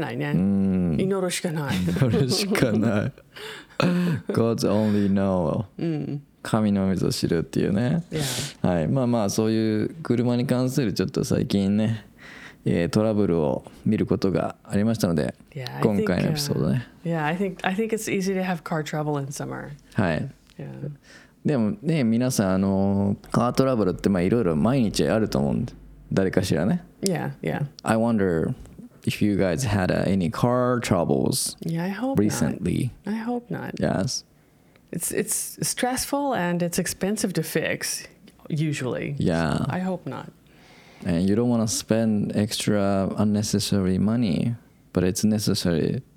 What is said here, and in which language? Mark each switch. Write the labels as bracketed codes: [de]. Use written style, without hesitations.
[ja] まあまあちょっとそこまではね僕は分かりませんけど。分からないね。祈るしかない。祈るしかない。 [en] God only know. [ja] 神の水を知るっていうね、 [en] yeah. [ja] はい、まあまあそういう車に関するちょっと最近ね、トラブルを見ることがありましたので、 [en] yeah, [ja] 今回のエピソードね。 [en] I think it's easy to have car trouble in summer. [ja] はい。 [en] Yeah. [ja] でもね皆さんカートラブルってまあいろいろ毎日あると思うんで誰かしらね。 [en] Yeah, yeah. I wonder if you guys had any car troubles. Yeah, I hope recently. Not. I hope not. Yes. It's stressful and it's expensive to fix, usually. Yeah. So I hope not. And you don't want to spend extra unnecessary money, but it's necessary.